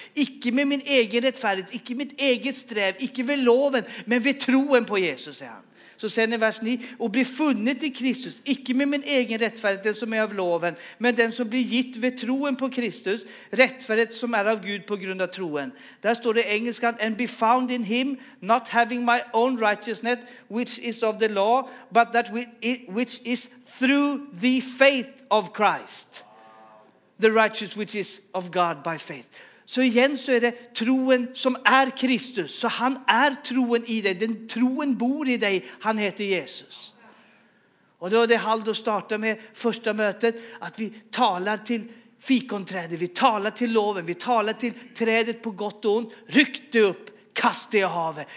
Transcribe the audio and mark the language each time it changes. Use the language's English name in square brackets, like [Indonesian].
[Swedish] Icke med min egen rättfärdighet, icke mitt eget sträv, icke vid loven, men vid troen på Jesus, säger han. Så säger ni vers 9, och blir funnit i Kristus, icke med min egen rättfärdighet, den som är av loven, men den som blir gitt vid troen på Kristus, rättfärdighet som är av Gud på grund av troen. Där står det i engelskan, [English] and be found in him, not having my own righteousness, which is of the law, but that which is through the faith of Christ, the righteousness which is of God by faith. [Swedish] Så igen så är det troen som är Kristus. Så han är troen i dig. Den troen bor i dig. Han heter Jesus. Och då är det Halldor startade med första mötet. Att vi talar till fikonträdet. Vi talar till loven. Vi talar till trädet på gott och ont. Ryck det upp. Kast det i havet.